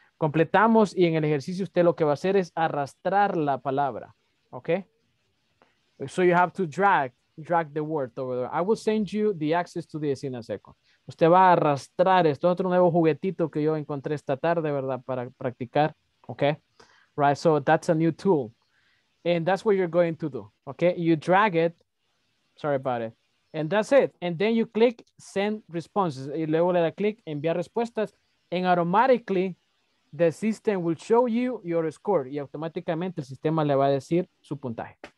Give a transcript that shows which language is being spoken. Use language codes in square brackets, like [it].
[es] Completamos y en el ejercicio usted lo que va a hacer es arrastrar la palabra, okay? [en] So you have to drag the word over there. I will send you the access to this in a second. [es] Usted va a arrastrar esto, otro nuevo juguetito que yo encontré esta tarde, ¿verdad? Para practicar, [en] okay? Right, so that's a new tool. And that's what you're going to do, okay? You drag it. Sorry about it. And that's it. And then you click send responses. [es] Y luego le da click enviar respuestas. [en] And automatically, the system will show you your score. [es] Y automáticamente el sistema le va a decir su puntaje.